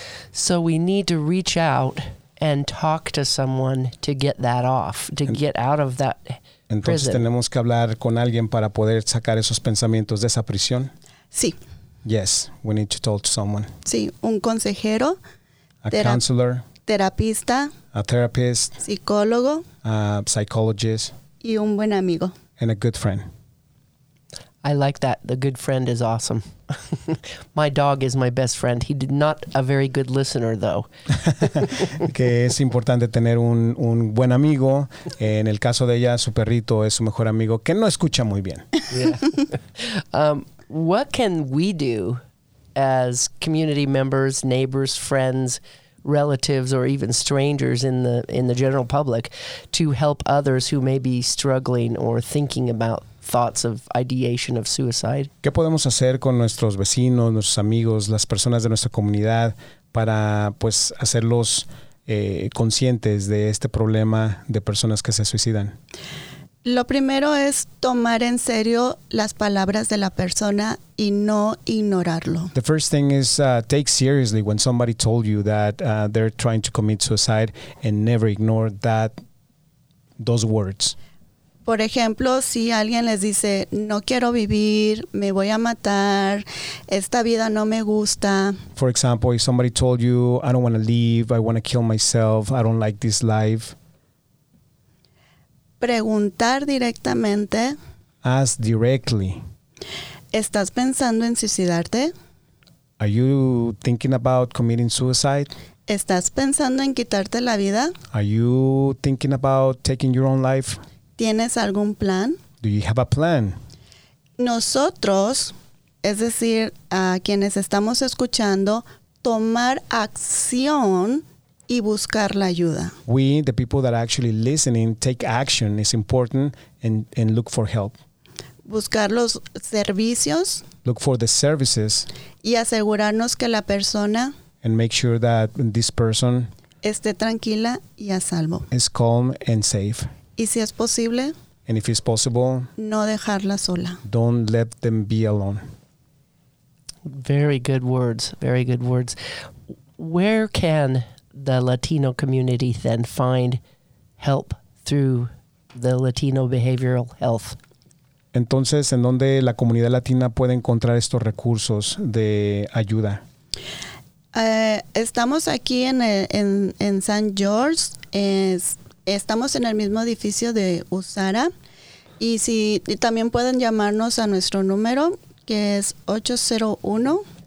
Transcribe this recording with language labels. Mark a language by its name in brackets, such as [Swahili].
[English] So we need to reach out and talk to someone to get that off, get out of that prison. [Spanish] Entonces tenemos que hablar con alguien para poder sacar esos pensamientos de esa prisión. Sí. [English] Yes, we need to talk to someone. [Spanish] Sí, un consejero. [English] A counselor. [Spanish] Terapista. [English] A therapist. [Spanish] Psicólogo. [English] A psychologist. [Spanish] Y un buen amigo. [English] And a good friend. I like that. The good friend is awesome. My dog is my best friend. He did not a very good listener, though. [Spanish] Que es importante tener un buen amigo. En el caso de ella, su perrito es su mejor amigo, que no escucha muy bien. [English] Yeah. What can we do as community members, neighbors, friends, relatives, or even strangers in the general public to help others who may be struggling or thinking about thoughts of ideation of suicide? [Spanish] ¿Qué podemos hacer con nuestros vecinos, nuestros amigos, las personas de nuestra comunidad para pues hacerlos conscientes de este problema de personas que se suicidan? Lo primero es tomar en serio las palabras de la persona y no ignorarlo. [English] The first thing is take seriously when somebody told you that they're trying to commit suicide, and never ignore those words. [Spanish] Por ejemplo, si alguien les dice, no quiero vivir, me voy a matar, esta vida no me gusta. [English] For example, if somebody told you, I don't want to leave, I want to kill myself, I don't like this life. [Spanish] Preguntar directamente. [English] Ask directly. [Spanish] ¿Estás pensando en suicidarte? [English] Are you thinking about committing suicide? [Spanish] ¿Estás pensando en quitarte la vida? [English] Are you thinking about taking your own life? [Spanish] ¿Tienes algún plan? [English] Do you have a plan? [Spanish] Nosotros, es decir, a quienes estamos escuchando, tomar acción y buscar la ayuda. [English] We, the people that are actually listening, take action. It's important and look for help. [Spanish] Buscar los servicios. [English] Look for the services. [Spanish] Y asegurarnos que la persona. [English] And make sure that this person. [Spanish] Esté tranquila y a salvo. [English] Is calm and safe. [Spanish] Y si es posible. [English] And if it's possible. [Spanish] No dejarla sola. [English] Don't let them be alone. Very good words. Very good words. Where can the Latino community then find help through the Latino Behavioral Health? [Spanish] Entonces, ¿en dónde la comunidad latina puede encontrar estos recursos de ayuda? Estamos aquí en San George. Estamos en el mismo edificio de USARA. Y también pueden llamarnos a nuestro número, que es 801.